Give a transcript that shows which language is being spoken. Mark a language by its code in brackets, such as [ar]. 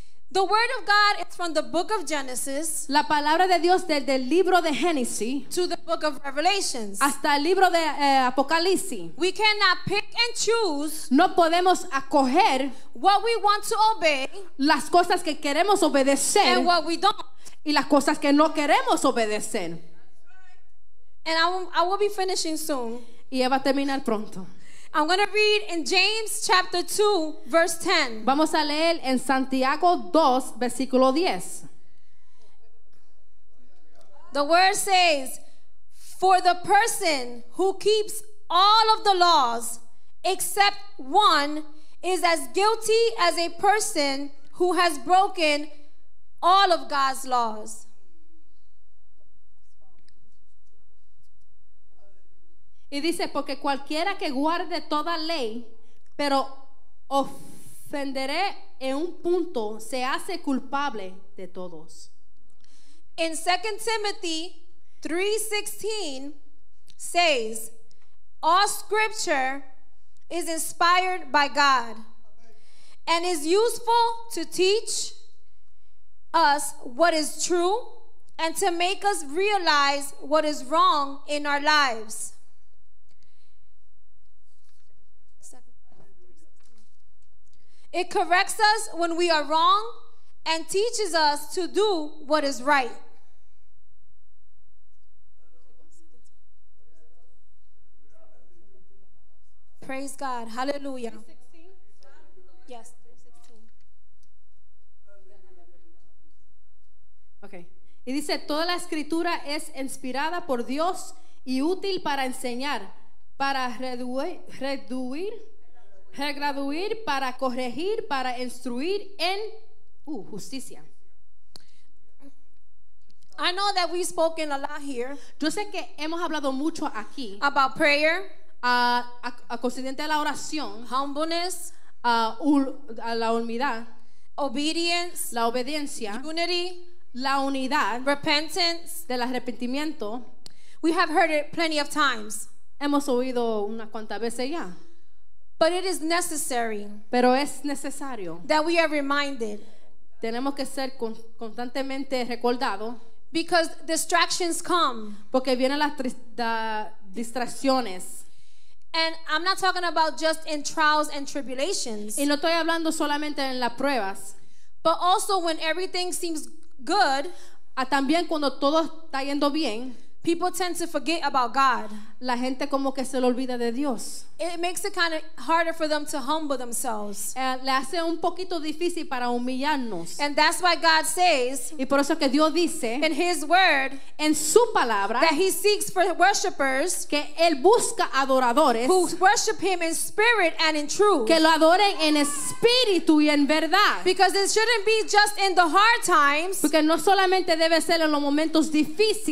[en] The word of God is from the book of Genesis. [es] La palabra de Dios del libro de Génesis. [en] To the book of Revelations. [es] Hasta el libro de Apocalipsis. [en] We cannot pick and choose. [es] No podemos acoger. [en] What we want to obey. [es] Las cosas que queremos obedecer. [en] And what we don't. [es] Y las cosas que no queremos obedecer. [en] And I will be finishing soon. [es] Y va a terminar pronto. [en] I'm going to read in James 2:10. [es] Vamos a leer en Santiago 2:10. [en] The word says, "For the person who keeps all of the laws except one is as guilty as a person who has broken all of God's laws." [es] Y dice, porque cualquiera que guarde toda ley, pero ofenderé en un punto, se hace culpable de todos. [en] In 2 Timothy 3:16 says, "All scripture is inspired by God and is useful to teach us what is true and to make us realize what is wrong in our lives." It corrects us when we are wrong and teaches us to do what is right. Praise God. Hallelujah. Yes. Okay. [es] Y dice, toda la escritura es inspirada por Dios y útil para enseñar, para regraduir, para corregir, para instruir en justicia. [en] I know that we've spoken a lot here. [es] Yo sé que hemos hablado mucho aquí. [en] About prayer. [es] Concediente a la oración. [en] Humbleness. [es] La humildad. [en] Obedience. [es] La obediencia. [en] Unity. [es] La unidad. [en] Repentance. [es] Del arrepentimiento. [en] We have heard it plenty of times. [es] Hemos oído unas cuantas veces ya. [en] But it is necessary. [es] Pero es necesario. [en] That we are reminded. [es] Tenemos que ser constantemente recordado. [en] Because distractions come. [es] Porque vienen las distracciones. [en] And I'm not talking about just in trials and tribulations. [es] Y no estoy hablando solamente en las pruebas. [en] But also when everything seems good. [es] También cuando todo está yendo bien. [en] People tend to forget about God. [es] La gente como que se le olvida de Dios. [en] It makes it kind of harder for them to humble themselves. [es] Le hace un poquito difícil para humillarnos. [en] And that's why God says, [es] y por eso que Dios dice, [en] in His word, [es] en su palabra, [en] that He seeks for worshipers, [es] que él busca adoradores, [en] who worship Him in spirit and in truth, [es] que lo adoren en espíritu y en verdad. [en] Because it shouldn't be just in the hard times, [es] porque no solamente debe ser en los momentos difíciles,